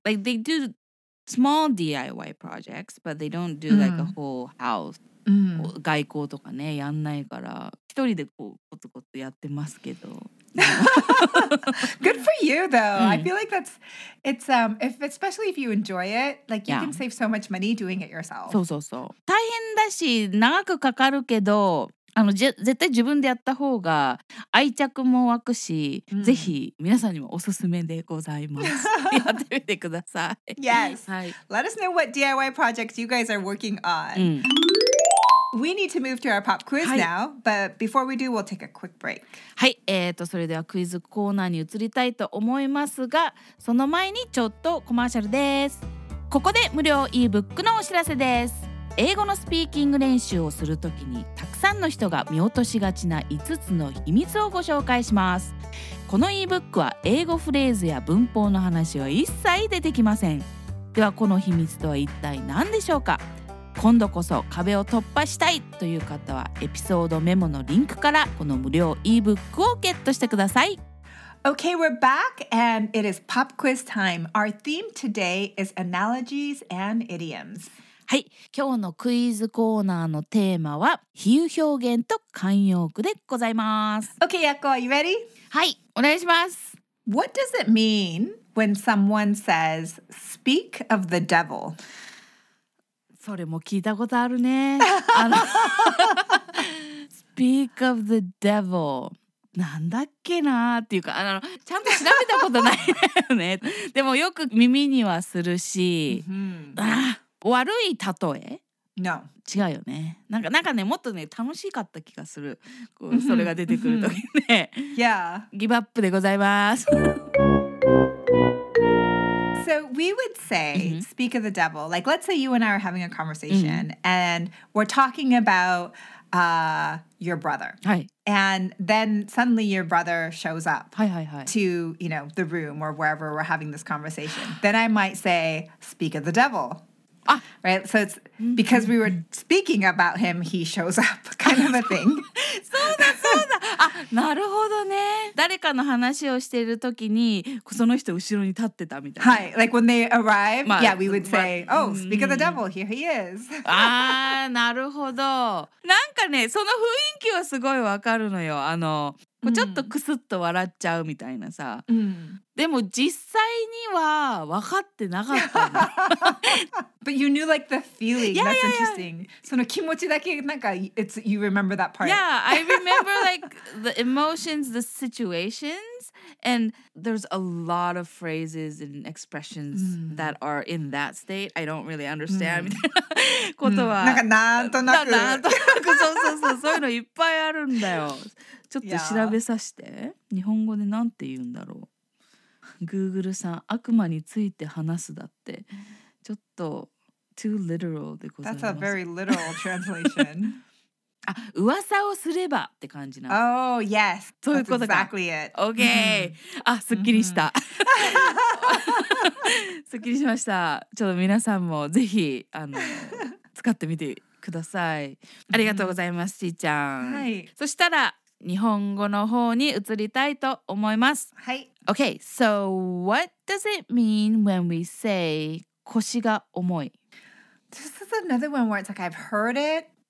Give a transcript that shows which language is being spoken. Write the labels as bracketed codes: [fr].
[en] Like they doSmall DIY projects, but they don't do like a whole house. [ja] 外交とかね、やんないから、一人でこうコツコツやってますけど。 [en] Good for you, though. I feel like especially if you enjoy it, like you can save so much money doing it yourself. [ja] そうそうそう。大変だし、長くかかるけど、あの絶対自分でやった方が愛着も湧くし、うん、ぜひ皆さんにもおすすめでございます。やってみてください。 [en] Yes. はい。 Let us know what DIY projects you guys are working on.、うん、we need to move to our pop quiz、はい、now, but before we do, we'll take a quick break. [ja] はい。それではクイズコーナーに移りたいと思いますが、その前にちょっとコマーシャルです。ここで無料 e-book のお知らせです。英語のスピーキング練習をするときにたくさんの人が見落としがちな5つの秘密をご紹介します。この e-book は英語フレーズや文法の話は一切出てきません。ではこの秘密とは一体何でしょうか。今度こそ壁を突破したいという方はエピソードメモのリンクからこの無料 e-book をゲットしてください。 [en] Okay, we're back and it is pop quiz time. Our theme today is analogies and idioms. [ja] はい、今日のクイズコーナーのテーマは比喩表現と慣用句でございます。 [en] OK, Yako, are you ready? [ja] はい、お願いします。 [en] What does it mean when someone says speak of the devil? [ja] それも聞いたことあるね。 speak of the devil なんだっけなっていうか、あのちゃんと調べたことないよね。でもよく耳にはするし、mm-hmm. ああ悪い例え、 [en] no. [ja] 違うよね。なんかね、もっとね楽しかった気がする。こうそれが出てくるときね。 [en] yeah. [ja] ギブアップでございます。 [en] So we would say, speak of the devil. Like, let's say you and I are having a conversation, and we're talking about your brother. [ja] はい。 [en] And then suddenly your brother shows up [ja] はいはい、はい、 [en] to, you know, the room or wherever we're having this conversation. Then I might say, speak of the devil. Right, so it's because we were speaking about him, he shows up, kind of a thing. [ja] そうだそうだ。あ、なるほどね。誰かの話をしている時にその人後ろに立ってたみたいな。 [en] はい、like when they arrive,、まあ、yeah, we would say,、まあ、oh, speak of the devil, here he is. [ja] あー、なるほど。なんかね、その雰囲気はすごいわかるのよ。あの、ちょっとクスッと笑っちゃうみたいなさ、うん、でも実際には分かってなかった。 [en] But you knew like the feeling. Yeah, that's yeah, interesting. Yeah. [ja] その気持ちだけなんか [en] it's you remember that part. Yeah, I remember like the emotions, the situations, and there's a lot of phrases and expressions、mm. that are in that state. I don't really understand、mm. [ja] みたいなことは、 mm. なんかなんとなく、なんとなくそうそうそうそういうのいっぱいあるんだよ。ちょっと調べさせて、yeah. 日本語でなんて言うんだろう。 Google さん、悪魔について話すだって。ちょっと、too literal でございます。 [en] That's a very literal translation. [ja] あ、噂をすればって感じなの。 [en] Oh, yes. [ja] そういうことか。 [en] That's exactly it. [ja] OK. あ、すっきりした。すっきりしました。ちょっと皆さんもぜひ、使ってみてください。ありがとうございます、ちーちゃん。はい。そしたら、日本語の方に移りたいと思います。はい。 [en] Okay, so what does it mean when we say 腰が重い? This is another one where it's like I've heard it.